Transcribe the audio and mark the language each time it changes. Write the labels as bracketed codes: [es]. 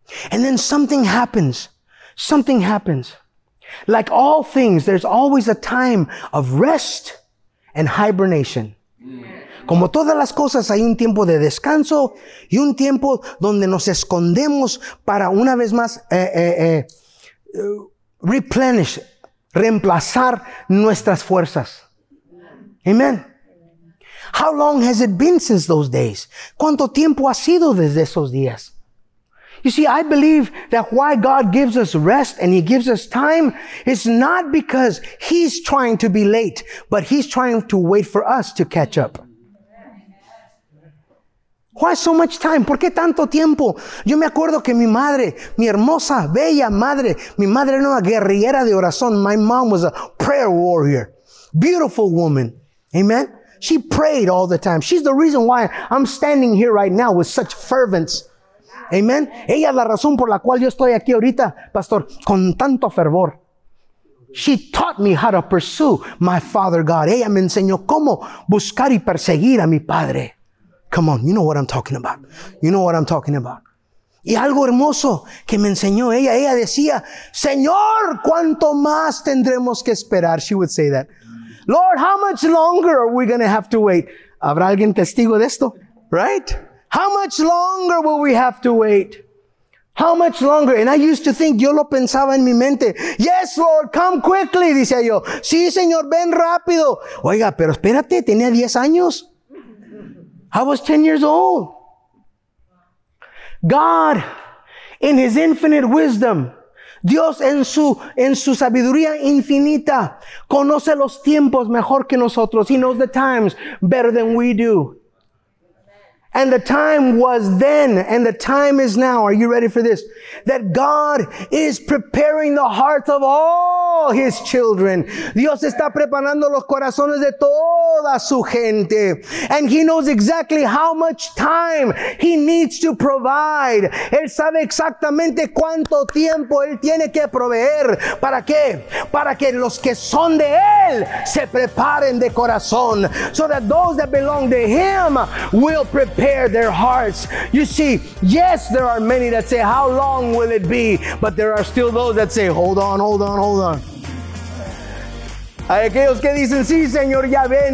[en] And then something happens. Something happens. Like all things, there's always a time of rest and hibernation. [es] Como todas las cosas, hay un tiempo de descanso y un tiempo donde nos escondemos para una vez más replenish, reemplazar nuestras fuerzas. [en] Amen. How long has it been since those days? [es] ¿Cuánto tiempo ha sido desde esos días? [en] You see, I believe that why God gives us rest and he gives us time is not because he's trying to be late, but he's trying to wait for us to catch up. Why so much time? [es] ¿Por qué tanto tiempo? Yo me acuerdo que mi madre, mi hermosa, bella madre, mi madre era una guerrillera de oración. [en] My mom was a prayer warrior. Beautiful woman. Amen. She prayed all the time. She's the reason why I'm standing here right now with such fervence. Amen. [es] Ella es la razón por la cual yo estoy aquí ahorita, pastor, con tanto fervor. [en] She taught me how to pursue my Father God. [es] Ella me enseñó cómo buscar y perseguir a mi padre. [en] Come on, you know what I'm talking about. You know what I'm talking about. [es] Y algo hermoso que me enseñó ella. Ella decía, Señor, ¿cuánto más tendremos que esperar? [en] She would say that. Lord, how much longer are we going to have to wait? [es] ¿Habrá alguien testigo de esto? [en] Right? How much longer will we have to wait? How much longer? And I used to think, [es] yo lo pensaba en mi mente. [en] Yes, Lord, come quickly, [es] decía yo. Sí, Señor, ven rápido. Oiga, pero espérate, tenía 10 años. [en] I was 10 years old. God, in his infinite wisdom, [es] Dios en su sabiduría infinita, conoce los tiempos mejor que nosotros. [en] He knows the times better than we do. And the time was then, and the time is now. Are you ready for this? That God is preparing the hearts of all his children. [es] Dios está preparando los corazones de toda su gente. [en] And he knows exactly how much time he needs to provide. [es] Él sabe exactamente cuánto tiempo él tiene que proveer. ¿Para qué? Para que los que son de él se preparen de corazón. [en] So that those that belong to him will prepare their hearts. You see, yes, there are many that say, how long will it be? But there are still those that say, hold on. [es] Hay aquellos que dicen, sí, Señor, ya ven.